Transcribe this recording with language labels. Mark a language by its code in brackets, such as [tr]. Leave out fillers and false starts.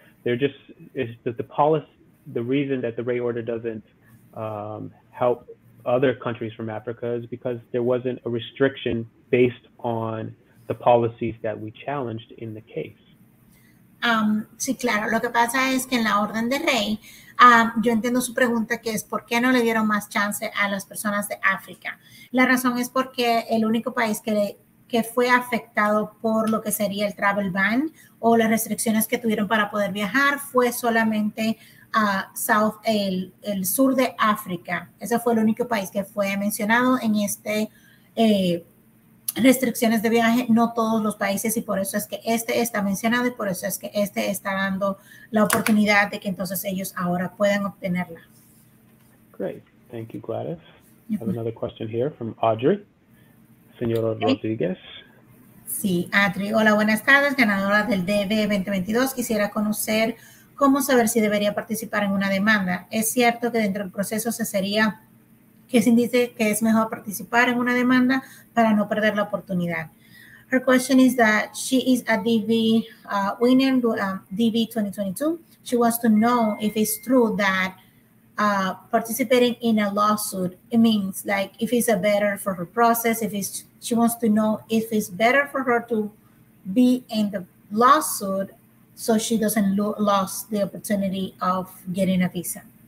[en] They're just, it's the policy, the reason that the Ray order doesn't help other countries from Africa is because there wasn't a restriction based on the policies that we challenged in the case. [es] Sí, claro. Lo que pasa es que en la orden de Rey, yo entiendo su pregunta, que es por qué no le dieron más chance a las personas de África. La razón es porque el único país que fue afectado por lo que sería el travel ban o las restricciones que tuvieron para poder viajar fue solamente el sur de África. Ese fue el único país que fue mencionado en este restricciones de viaje, no todos los países, y por eso es que este está mencionado y por eso es que este está dando la oportunidad de que entonces ellos ahora puedan obtenerla. [en] Great. Thank you, Gladys. I have another question here from Audrey. [es] Señora Rodríguez. Sí, Audrey. Hola, buenas tardes. Ganadora del DB-2022. Quisiera conocer cómo saber si debería participar en una demanda. ¿Es cierto que dentro del proceso se sería que se indice que es mejor participar en una demanda para no perder la oportunidad? [en] Her question is that she is a DV winner, DV 2022. She wants to know if it's true that participating in a lawsuit, it means like if it's a better for her process, she wants to know if it's better for her to be in the lawsuit so she doesn't lose the opportunity of getting a visa.